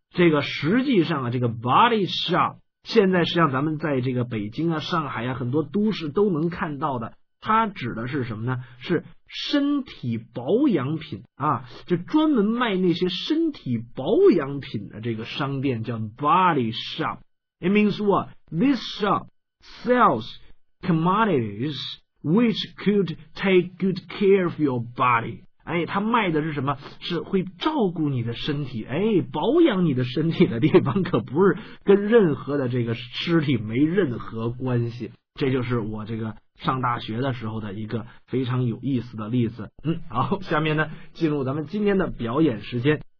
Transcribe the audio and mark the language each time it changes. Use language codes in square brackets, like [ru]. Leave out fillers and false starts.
[zh] 这个实际上啊，这个 body shop 现在实际上咱们在这个北京啊、上海啊很多都市都能看到的，它指的是什么呢？是身体保养品啊，就专门卖那些身体保养品的这个商店叫 body shop。 [en] It means what? This shop sells commodities which could take good care of your body. [zh] 哎，他卖的是什么？是会照顾你的身体，哎，保养你的身体的地方，可不是跟任何的这个尸体没任何关系。这就是我这个上大学的时候的一个非常有意思的例子。好，下面呢，进入咱们今天的表演时间。